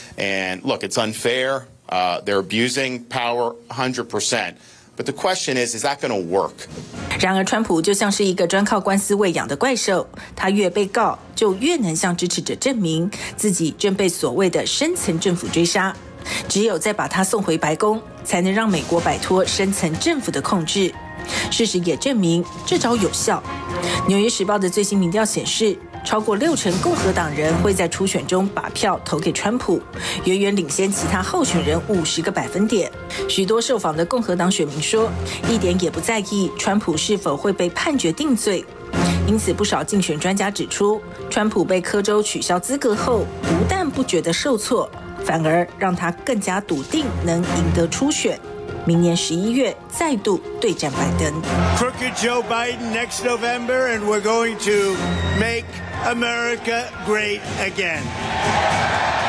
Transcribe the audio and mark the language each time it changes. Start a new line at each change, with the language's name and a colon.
English: And look, it's unfair. They're abusing power 100%. But the question is that going to work?
Chinese: 然而川普就像是一个专靠官司喂养的怪兽，他越被告就越能向支持者证明自己正被所谓的深层政府追杀。只有再把他送回白宫，才能让美国摆脱深层政府的控制。事实也证明这招有效。纽约时报的最新民调显示，超过六成共和党人会在初选中把票投给川普，远远领先其他候选人50%。许多受访的共和党选民说，一点也不在意川普是否会被判决定罪。因此，不少竞选专家指出，川普被科州取消资格后，不但不觉得受挫，反而让他更加笃定能赢得初选。明年十一月再度对战拜登。
English: Crooked Joe Biden next November, and we're going to make America great again.